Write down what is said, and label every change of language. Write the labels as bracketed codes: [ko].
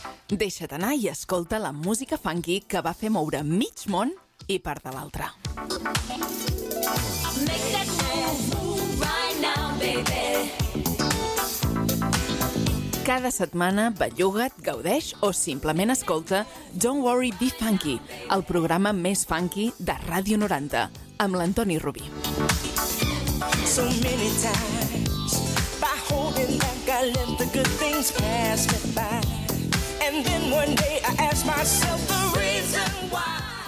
[ca] Deixa't anar i escolta la música funky que va fer moure mig món i part de l'altre. [en] Make that move right now, baby. [ca] Cada setmana, belluga't, gaudeix o simplement escolta Don't Worry, Be Funky, el programa més funky de Ràdio 90, amb l'Antoni Rubí. [en] So many times, by holding back, I let the good things pass me by. And then one day I asked myself the reason why.